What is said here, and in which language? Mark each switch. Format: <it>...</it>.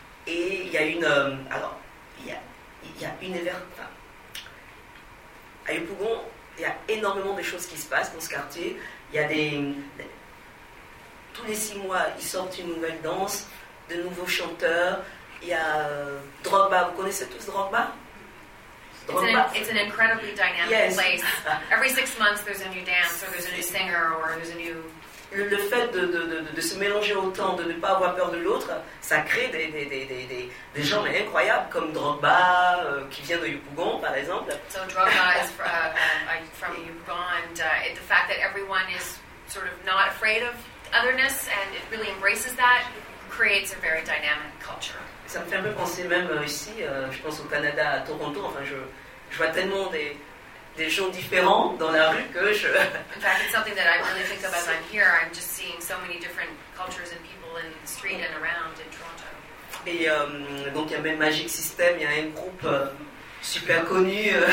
<fr>et il y a une alors il y a une enfin, à Yopougon, il y a énormément de choses qui se passent dans ce quartier. Il y a des tous les 6 mois, ils sortent une nouvelle danse. de nouveaux chanteurs. Il y a Drogba, vous connaissez tous Drogba?</fr> <en>It's an incredibly dynamic yes. place. Every six months, there's a new dance, or there's a new singer, or there's a new...</en> <fr>Le fait de se mélanger autant, de ne pas avoir peur de l'autre, ça crée des gens mais incroyables, comme Drogba, qui vient de Yopougon, par exemple.</fr> <en>So Drogba is from Yopougon, and the fact that everyone is sort of not afraid of otherness, and it really embraces that, creates a very dynamic culture.</en> <fr>Ça me fait un peu penser même ici, je pense au Canada, à Toronto, enfin je vois tellement des gens différents dans la rue que je...</fr> <en>In fact, it's something that I really picked up as I'm here. I'm just seeing so many different cultures and people in the street and around in Toronto.</en> <fr>Et donc il y a même Magic System, il y a un groupe super connu.</fr>